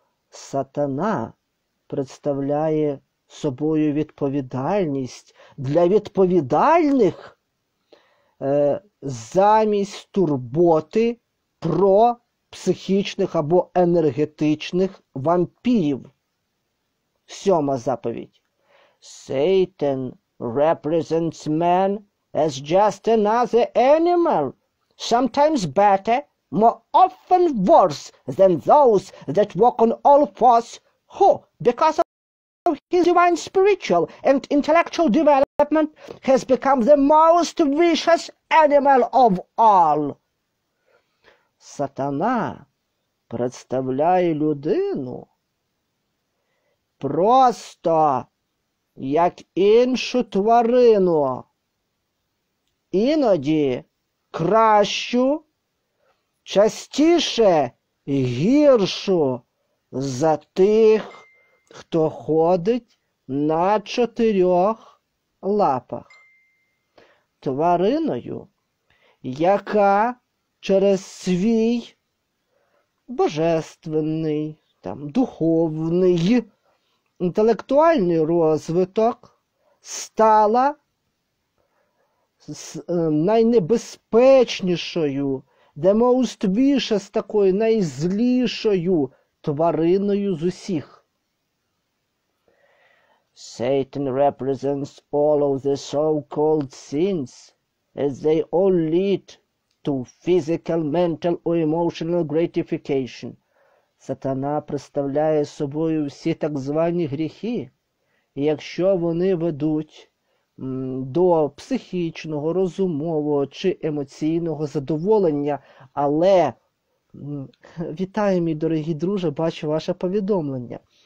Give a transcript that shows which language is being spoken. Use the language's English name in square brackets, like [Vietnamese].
[Ukrainian] Сатана представляє собою відповідальність для відповідальних замість турботи про психічних або енергетичних вампірів. Сьома заповідь. [English] Satan represents man as just another animal, sometimes better, more often worse than those that walk on all fours, who, because of his divine spiritual and intellectual development, has become the most vicious animal of all. [Ukrainian] Сатана представляє людину просто як іншу тварину, іноді кращу, частіше гіршу за тих, хто ходить на чотирьох лапах, твариною, яка через свій божественний, там, духовний, інтелектуальний розвиток стала найнебезпечнішою, [English] the most vicious, [Ukrainian] такою найзлішою твариною з усіх. Satan represents all of the so-called sins as they all lead to physical, mental or emotional gratification. Сатана представляє собою всі так звані гріхи, і якщо вони ведуть до психічного, розумового чи емоційного задоволення, але, вітаю, мій дорогий друже, бачу ваше повідомлення,